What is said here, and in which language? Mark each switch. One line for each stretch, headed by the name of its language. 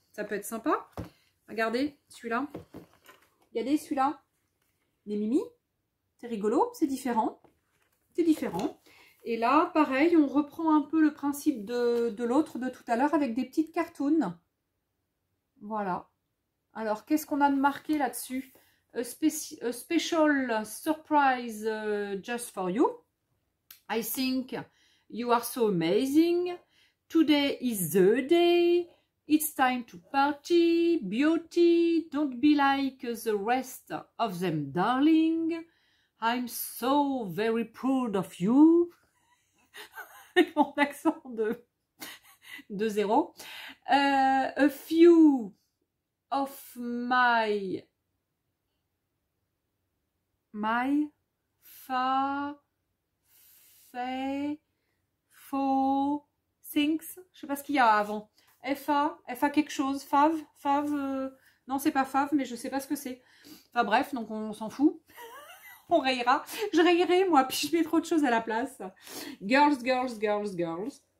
French: Ça peut être sympa. Regardez celui-là. Regardez celui-là. Les mimi. C'est rigolo, c'est différent. C'est différent. Et là, pareil, on reprend un peu le principe de l'autre de tout à l'heure avec des petites cartoons. Voilà. Alors, qu'est-ce qu'on a de marqué là-dessus?
English: A special surprise just for you. I think you are so amazing. Today is the day. It's time to party. Beauty, don't be like the rest of them, darling. I'm so very proud of you.
French: Avec mon accent de zéro.
English: A few of my My fa fait faux things.
French: Je sais pas ce qu'il y a avant. FA quelque chose. Fave. Non, c'est pas fave, mais je sais pas ce que c'est. Enfin bref, donc on s'en fout. On rayera. Je rayerai, moi, puis je mets trop de choses à la place.
English: Girls, girls, girls, girls.